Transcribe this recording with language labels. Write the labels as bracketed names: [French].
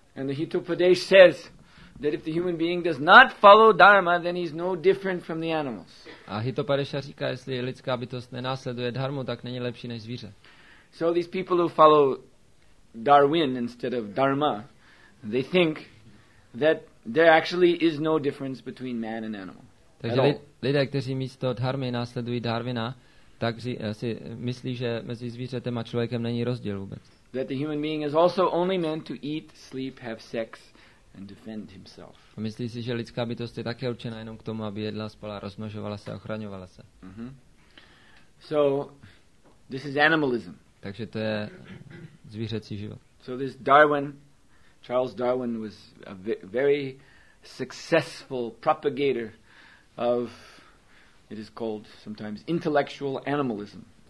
[English] And the Hitopadesh says that if the human being does not follow dharma, then he's no different from the animals. [Czech] A Hitopadesha říká, jestli lidská bytost nenásleduje dharmu, tak není lepší než zvíře. [English] So these people who follow Darwin instead of dharma, they think that there actually is no difference between man and animal. [Czech] Takže lidé, kteří místo dharmy následují Darwina, tak si myslí, že mezi zvířetem a člověkem není rozdíl vůbec. [English] That the human being is also only meant to eat, sleep, have sex and defend himself. [Czech] A myslí si, že lidská bytost je také určena jenom k tomu, aby jedla, spala, rozmnožovala se a ochraňovala se. [English] So this is animalism. [Czech] Takže to je zvířecí život. [English] So this Darwin, Charles Darwin was a very successful propagator of, it is called sometimes intellectual animalism.